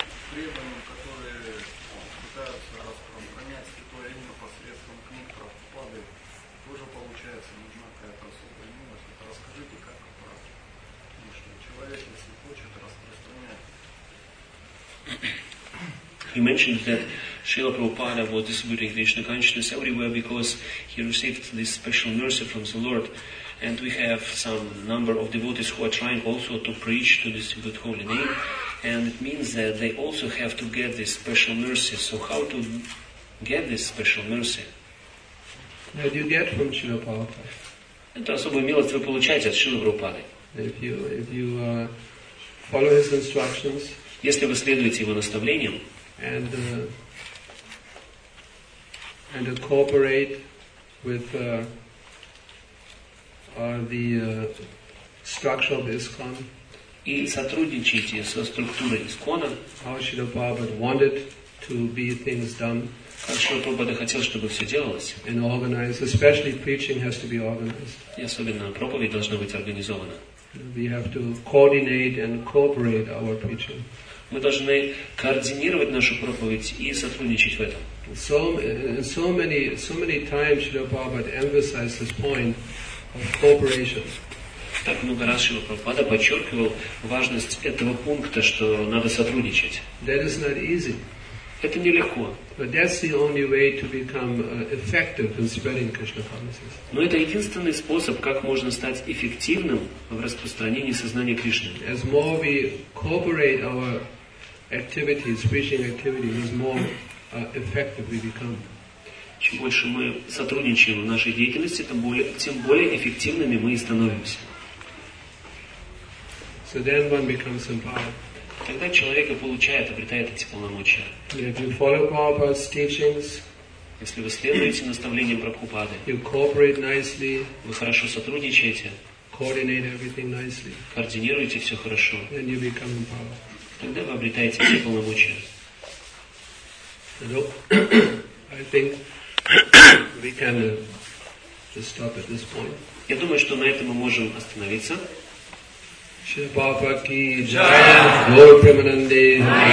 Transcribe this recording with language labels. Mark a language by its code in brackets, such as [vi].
[ru] Преданным, которые пытаются распространять святое имя посредством книг Прабхупады, тоже получается нужна какая-то особая милость. Это расскажите, как это правда. Потому что человек, если хочет распространять. [en] He mentioned that Srila Prabhupada was distributing Krishna consciousness everywhere because he received this special mercy from the Lord, and we have some number of devotees who are trying also to preach to distribute holy name, and it means that they also have to get this special mercy. So how to get this special mercy? What do you get from Srila Prabhupada? [ru] Это особую милость вы получаете от Srila Prabhupada. [en] If you follow his instructions. [ru] Если вы следуете его наставлениям [en] and cooperate with the structure of ISKCON, [ru] и сотрудничаете со структурой ИСККОНа, [en] how Srila Prabhupada wanted to be things done, [ru] как Шрила Прабхупада хотел, чтобы все делалось, [en] and organized, especially preaching has to be organized. [ru] И особенно проповедь должна быть организована. [en] We have to coordinate and cooperate our preaching. [ru] Мы должны координировать нашу проповедь и сотрудничать в этом. [en] So many times Srila Prabhupada emphasized this point of cooperation. [ru] Так много раз Шрила Прабхупада подчеркивал важность этого пункта, что надо сотрудничать. [en] That is not easy. [ru] Это нелегко. [en] But that's the only way to become effective in spreading Krishna consciousness. [ru] Но это единственный способ, как можно стать эффективным в распространении сознания Кришны. [en] As more we cooperate our activities, preaching activities, the more effective we become. [ru] Чем больше мы сотрудничаем в нашей деятельности, тем более эффективными мы и становимся. [en] So then one becomes empowered. [ru] Тогда человек и получает, обретает эти полномочия. [en] If you follow Prabhupada's teachings, [ru] если вы следуете наставлениям Прабхупады, [en] you cooperate nicely, [ru] вы хорошо сотрудничаете, [en] coordinate everything nicely, [ru] координируете все хорошо, [en] then you become empowered. [ru] Тогда вы обретаете эти полномочия. [en] I think we can just stop at this point. [ru] Я думаю, что на этом мы можем остановиться. Шри Прабхупада ки джай, Гуру Премананде.